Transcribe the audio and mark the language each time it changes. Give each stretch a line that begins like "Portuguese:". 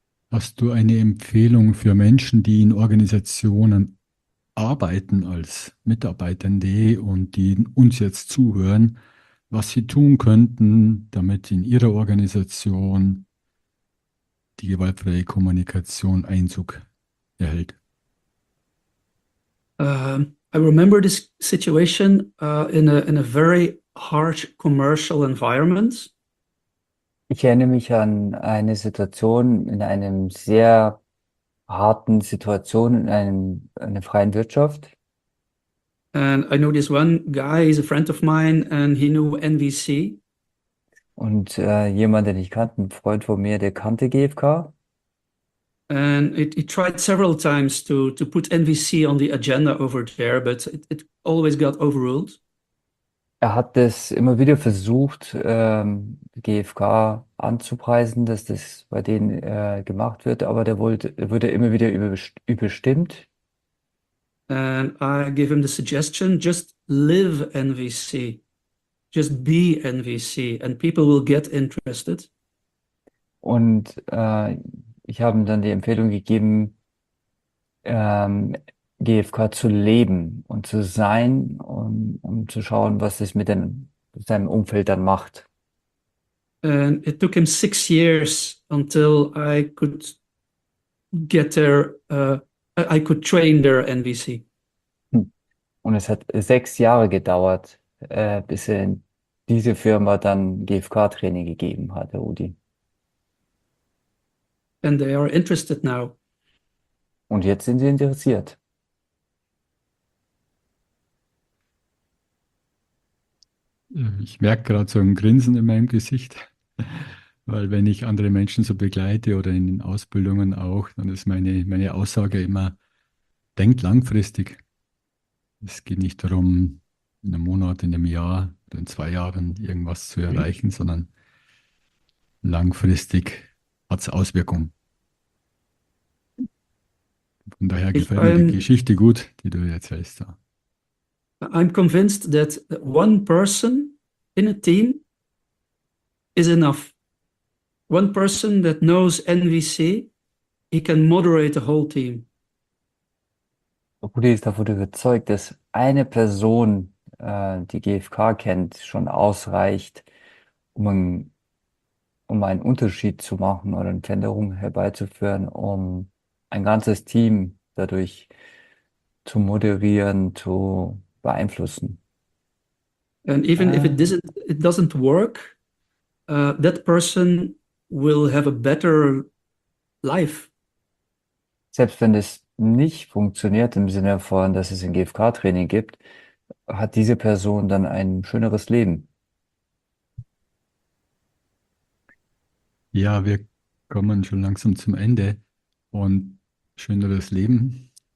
German: Hast du eine Empfehlung für Menschen, die in Organisationen arbeiten als Mitarbeitende und die uns jetzt zuhören, was sie tun könnten, damit in ihrer Organisation die gewaltfreie Kommunikation Einzug erhält?
English: I remember this situation in a very harsh commercial environment.
German: Ich erinnere mich an eine Situation in einem sehr harten Situation in einer freien Wirtschaft.
English: And I know this one guy is a friend of mine and he knew NVC.
German: Und jemand, den ich kannte, ein Freund von mir, der kannte GfK.
English: And it tried several times to put NVC on the agenda over there, but it always got overruled.
German: Er hat es immer wieder versucht, GfK anzupreisen, dass das bei denen gemacht wird, aber wurde immer wieder überstimmt.
English: And I give him the suggestion, just live NVC, just be NVC, and people will get interested.
German: Und ich habe ihm dann die Empfehlung gegeben, GfK zu leben und zu sein und um zu schauen, was es mit seinem Umfeld dann macht.
English: And it took him 6 years until I could get there, I could train their NVC.
German: Und es hat 6 Jahre gedauert, bis er in diese Firma dann GfK-Training gegeben hat, der Udi.
English: And they are interested now.
German: Und jetzt sind sie interessiert. Ich merke gerade so ein Grinsen in meinem Gesicht, weil wenn ich andere Menschen so begleite oder in den Ausbildungen auch, dann ist meine Aussage immer, denkt langfristig. Es geht nicht darum, in einem Monat, in einem Jahr oder in 2 Jahren irgendwas zu erreichen, sondern langfristig hat es Auswirkungen. Von daher gefällt mir die Geschichte gut, die du erzählst da.
English: I'm convinced that one person in a team is enough. One person that knows NVC, he can moderate the whole team.
German: Rudi ist davon überzeugt, dass eine Person, die GfK kennt, schon ausreicht, um einen Unterschied zu machen oder eine Veränderung herbeizuführen, um ein ganzes Team dadurch zu moderieren, zu beeinflussen.
English: And even if it doesn't work, that person will have a better life.
German: Selbst wenn es nicht funktioniert im Sinne von, dass es ein GfK-Training gibt, hat diese Person dann ein schöneres Leben. Ja, wir kommen schon langsam zum Ende und schöneres Leben.